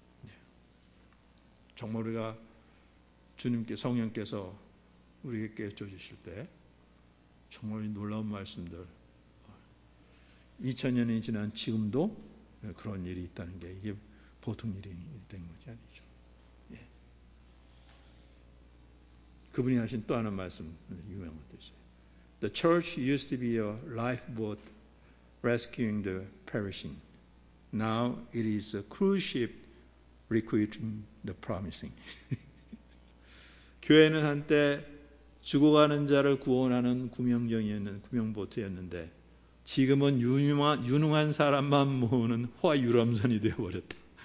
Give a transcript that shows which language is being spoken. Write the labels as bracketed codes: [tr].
[ko] 예. 정말 우리가 주님께 성령께서 우리에게 깨쳐 주실 때 정말 놀라운 말씀들 2000년이 지난 지금도 그런 일이 있다는 게 이게 보통 일이 된 것이 아니죠. 예. 그분이 하신 또 하나 말씀 유명한 것도 있어요. [en] The church used to be a lifeboat rescuing the perishing. Now it is a cruise ship requiting the promising. [ko] 교회는 한때 죽어가는 자를 구원하는 구명정이었는 구명보트였는데 지금은 유능한 사람만 모으는 화유람선이 되어버렸다.